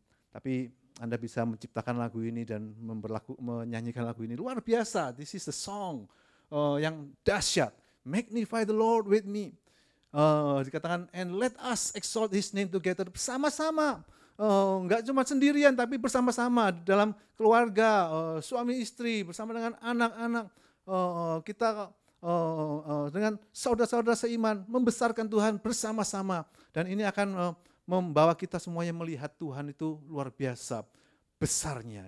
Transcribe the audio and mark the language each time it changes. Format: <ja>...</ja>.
<id>Tapi Anda bisa menciptakan lagu ini dan menyanyikan lagu ini. Luar biasa,</id> <en>this is the song</en> <id>yang dahsyat.</id> <en>Magnify the Lord with me.</en> <id>Dikatakan,</id> <en>and let us exalt his name together.</en> <id>Sama-sama enggak cuma sendirian tapi bersama-sama dalam keluarga, suami istri bersama dengan anak-anak, kita dengan saudara-saudara seiman membesarkan Tuhan bersama-sama, dan ini akan membawa kita semuanya melihat Tuhan itu luar biasa besarnya.</id>